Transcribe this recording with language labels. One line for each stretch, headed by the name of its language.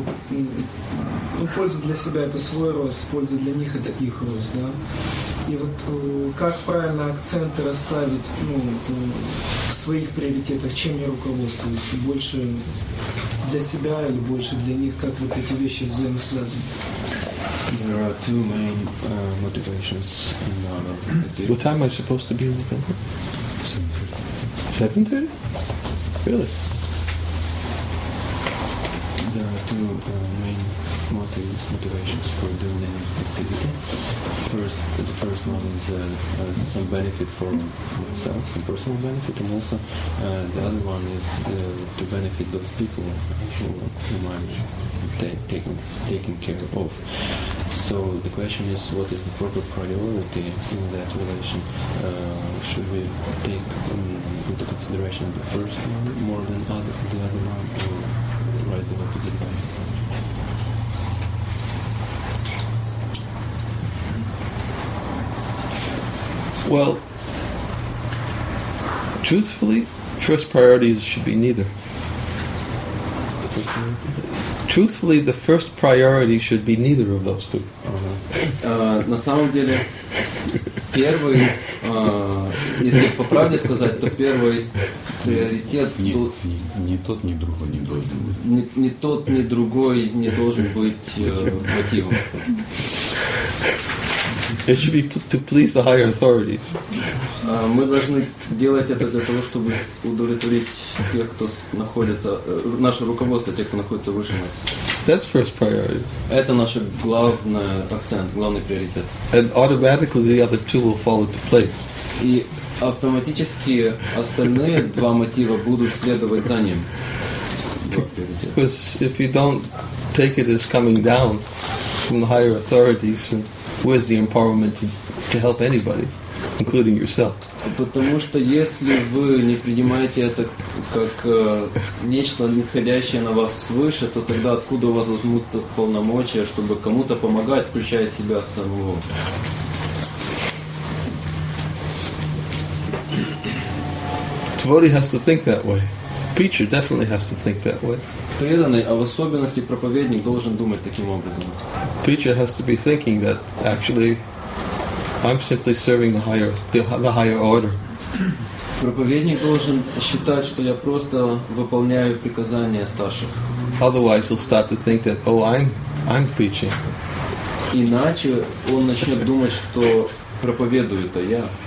Russian: Ну, польза для себя — это свой рост, польза для них — это их рост, да? И вот как правильно акценты расставить, ну, в своих приоритетах, чем я руководствуюсь? Больше для себя или больше для них? Как вот эти вещи взаимосвязаны?
English: There are two main motivations in our activity. What time am I supposed to be with them? 7:30. 7:30? Really? There are two main motivations for doing any activity. First, the first one is some benefit for myself, some personal benefit, and also the other one is to benefit those people whom I'm taking care of. So the question is, what is the proper priority in that relation? Should we take into consideration the first one more than the other one, or write the opposite way? Well, truthfully, first priorities should be neither. Truthfully, the first priority should be neither of those two.
Russian: На самом деле, первый, если по правде сказать, то первый приоритет... Не тот, ни другой не должен быть. Не тот, ни другой не должен быть мотивом.
English: It should be to please the higher authorities.
Russian: Мы должны делать это для того, чтобы удовлетворить тех, кто находится, наше руководство, тех, кто находится выше нас.
English: That's first priority.
Russian: Это наш главный акцент, главный приоритет.
English: And automatically the other two will fall into place.
Russian: И автоматически остальные два мотива будут следовать за ним.
English: Because if you don't take it as coming down from the higher authorities, then where's the empowerment to help anybody, including yourself?
Russian: Потому что если вы не принимаете это как нечто нисходящее на вас свыше, то тогда откуда у вас возьмутся полномочия, чтобы кому-то помогать, включая себя самого?
English: Devotee has to think that way. Preacher definitely has to think that way.
Russian: Преданный, а в особенности проповедник, должен думать таким образом.
English: Preacher has to be thinking that actually I'm simply serving the higher order.
Russian: Проповедник должен считать, что я просто выполняю приказания старших.
English: Otherwise he'll start to think that, oh, I'm preaching.
Russian: Иначе он начнет думать, что проповедую это я.